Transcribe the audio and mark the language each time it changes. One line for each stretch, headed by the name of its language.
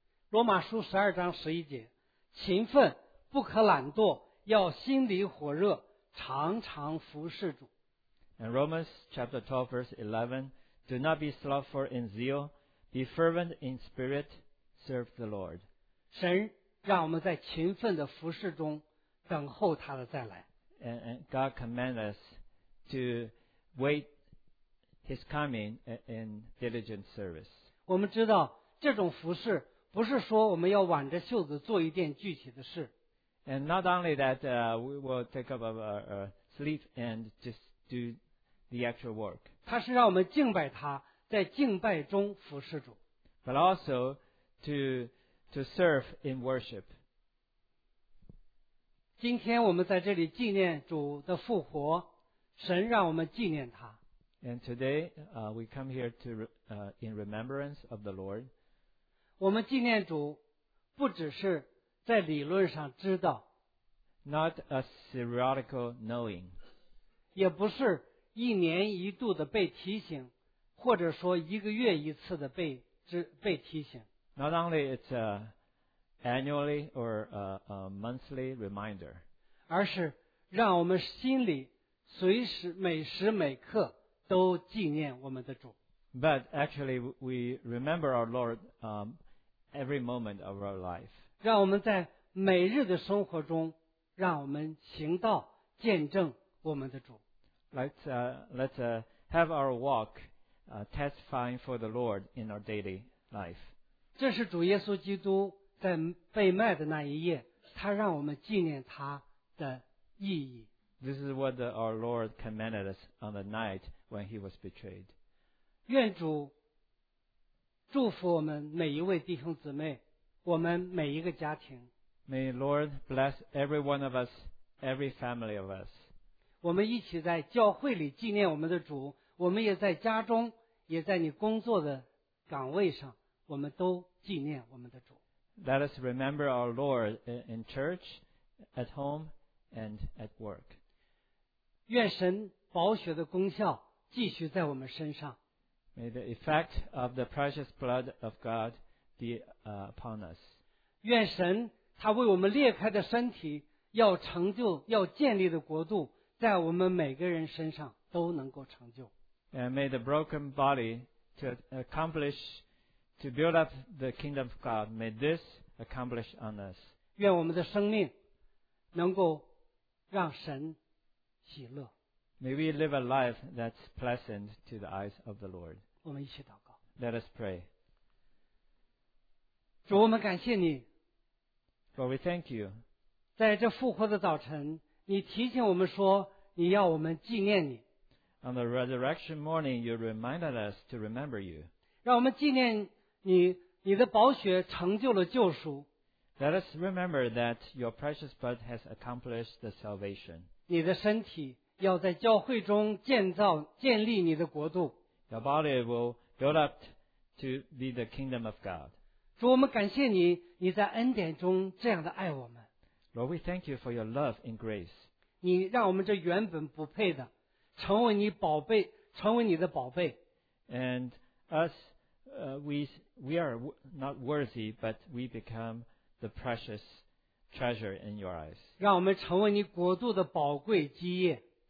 Chinese: 罗马书十二章十一节，勤奋。不可懒惰，要心里火热，常常服侍主。
English: And Romans chapter 12 verse 11, do not be slothful in zeal, be fervent in spirit, serve the Lord.
Chinese: 神让我们在勤奋的服侍中等候他的再来。
English: And God commands us to wait his coming in diligent service.
Chinese: 我们知道这种服侍不是说我们要挽着袖子做一件具体的事。
English: And not only that, we will take up our sleep and just do the actual work.
Chinese: 它是让我们敬拜他，在敬拜中服侍主。
English: But also to serve in worship.
Chinese: 今天我们在这里纪念主的复活，神让我们纪念他。
English: And today, we come here to in remembrance of the Lord.
Chinese: 我们纪念主，不只是在理论上知道，
English: not a theoretical knowing，
Chinese: 也不是一年一度的被提醒，或者说一个月一次的被提醒。
English: Not only it's a annually or a monthly reminder，
Chinese: 而是让我们心里随时每时每刻都纪念我们的主。
English: But actually, we remember our Lord every moment of our life.
Chinese: 让我们在每日的生活中，让我们行道见证我们的主。
English: Let's have our walk testifying for the Lord in our daily life.
Chinese: 这是主耶稣基督在被卖的那一夜，他让我们纪念他的意义。
English: This is what our Lord commanded us on the night when he was betrayed.
Chinese: 愿主祝福我们每一位弟兄姊妹，我们每一个家庭。
English: May Lord bless every one of us, every family of us.
Chinese: 我们一起在教会里纪念我们的主，我们也在家中，也在你工作的岗位上，我们都纪念我们的主。
English: Let us remember our Lord in church, at home, and at work.
Chinese: 愿神宝血的功效继续在我们身上。
English: May the effect of the precious blood of God be upon us.
Chinese: 愿神他为我们裂开的身体要成就要建立的国度在我们每个人身上都能够成就。
English: And may the broken body to accomplish to build up the kingdom of God, may this accomplish on us.
Chinese: 愿我们的生命能够让神喜乐。
English: May we live a life that's pleasant to the eyes of the Lord.
Chinese: 我们一起祷告。
English: Let us pray.
Chinese: 主，我们感谢你。
English: But we thank you.
Chinese: 在这复活的早晨，你提醒我们说，你要我们纪念你。
English: On the resurrection morning, you reminded us to remember you.
Chinese: 让我们纪念你，你的宝血成就了救赎。
English: Let us remember that your precious blood has accomplished the salvation.
Chinese: 你的身体要在教会中建造、建立你的国度。
English: Your body will build up to be the kingdom of God.
Chinese: 主，我们感谢你，你在恩典中这样的爱我们。
English: Lord, we thank you for your love and grace.
Chinese: 你让我们这原本不配的，成为你宝贝，成为你的宝贝。
English: And us, we are not worthy, but we become the precious treasure in your eyes.
Chinese: 让我们成为你国度的宝贵基业。